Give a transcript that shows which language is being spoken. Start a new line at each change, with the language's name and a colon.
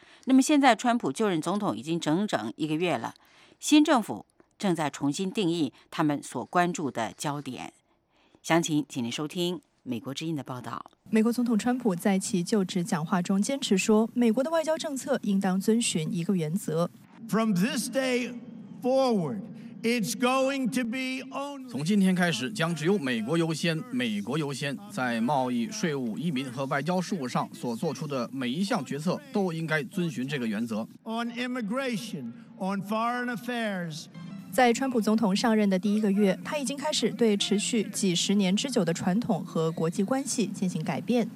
Chinese: 那么现在川普就任总统已经整整一个月了，新政府正在重新定义他们所关注的焦点。详情请您收听美国之音的报道。美国总统川普在其就职讲话中坚持说，美国的外交政策应当遵循一个原则。
English: From this day forward, it's going to be only...
Chinese: 从今天开始将只有美国优先，美国优先。在贸易、税务、移民和外交事务上所做出的每一项决策都应该遵循这个原则。
English: On immigration, on foreign affairs...
Chinese: 在川普总统上任的第一个月，他已经开始对持续几十年之久的传统和国际关系进行改变。